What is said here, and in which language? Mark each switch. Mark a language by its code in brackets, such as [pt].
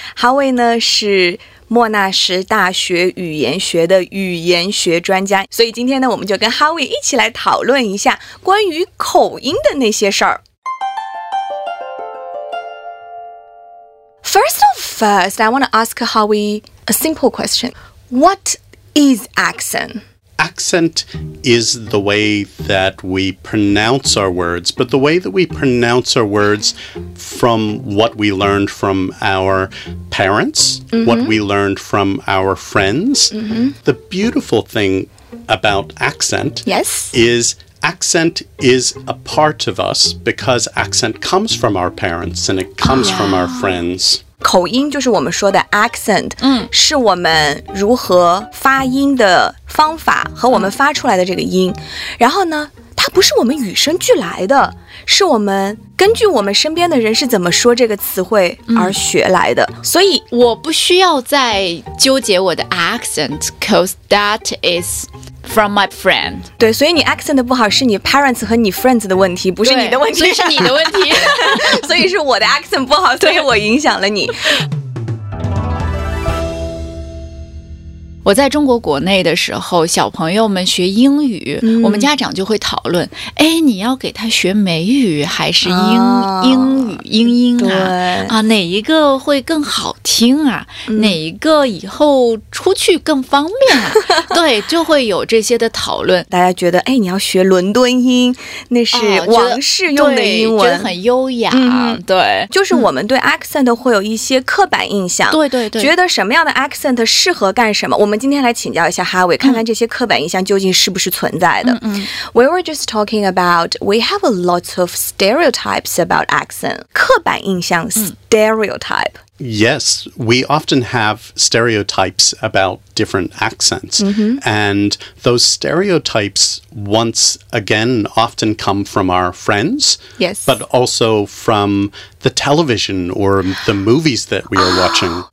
[zh] Howie 呢是莫纳什大学语言学的语言学专家，所以今天呢，我们就跟 Howie 一起来讨论一下关于口音的那些事儿。 [en] First of first, I want to ask Howie a simple question. What is accent? accent is the way that we pronounce our words, but the way that we pronounce our words from what we learned from our parents, mm-hmm. what we learned from our friends. Mm-hmm. The beautiful thing about accent yes. is accent is a part of us because accent comes from our parents and it comes from our friends. [zh] 口音就是我们说的 accent、嗯、是我们如何发音的方法和我们发出来的这个音、嗯、然后呢它不是我们与生俱来的是我们根据我们身边的人是怎么说这个词汇而学来的、嗯、所以我不需要再纠结我的 accent [en] because that is from my friend [zh] 对所以你 accent 不好是你 parents 和你 friends 的问题不是你的问题所以是你的问题所以是我的 accent 不好所以我影响了你我在中国国内的时候小朋友们学英语、嗯、我们家长就会讨论哎，你要给他学美语还是英、哦、英语英音 啊, 对啊哪一个会更好听啊、嗯、哪一个以后出去更方便啊对就会有这些的讨论大家觉得哎，你要学伦敦音那是王室用的英文、哦、觉得很优雅、嗯、对就是我们对 accent 会有一些刻板印象、嗯、对对对觉得什么样的 accent 适合干什么我们今天来请教一下哈维，看看这些刻板印象究竟是不是存在的。 [en] We were just talking about, we have a lot of stereotypes about accent. [zh] 刻板印象 stereotype. [en] Yes, we often have stereotypes about different accents. And those stereotypes, once again, often come from our friends. Yes. But also from the television or the movies that we are watching.